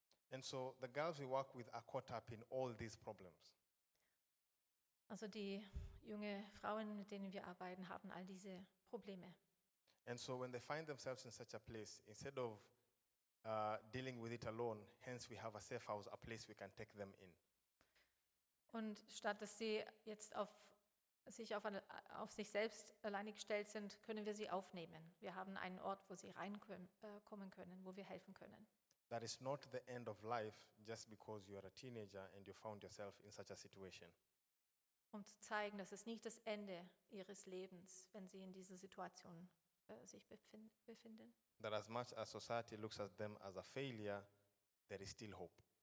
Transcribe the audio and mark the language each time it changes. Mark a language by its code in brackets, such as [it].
[en] And so the girls we work with are caught up in all these problems. [de] Also die junge Frauen, mit denen wir arbeiten, haben all diese Probleme. [en] And so when they find themselves in such a place, instead of dealing with it alone, hence we have a safe house, a place we can take them in. [de] Und statt dass sie jetzt auf sich selbst alleine gestellt sind, können wir sie aufnehmen. Wir haben einen Ort, wo sie reinkommen können, wo wir helfen können. [en] That is not the end of life just because you are a teenager and you found yourself in such a situation. [de] Um zu zeigen, das ist nicht das Ende ihres Lebens, wenn sie in dieser Situation sich befinden. [en] That as much as society looks at them as a failure, there is still hope.